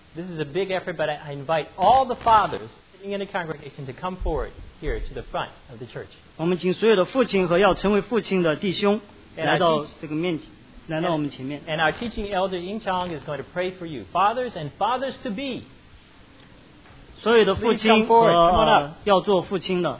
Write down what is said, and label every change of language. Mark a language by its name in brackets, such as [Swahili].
[English] This is a big effort, but I invite all the fathers sitting in the congregation to come forward here to the front of the church. [Chinese] 我们请所有的父亲和要成为父亲的弟兄来到这个面前，来到我们前面。 [English] And our teaching elder Ying Chong is going to pray for you, fathers and fathers to be. [Chinese] 所有的父亲和要做父亲的。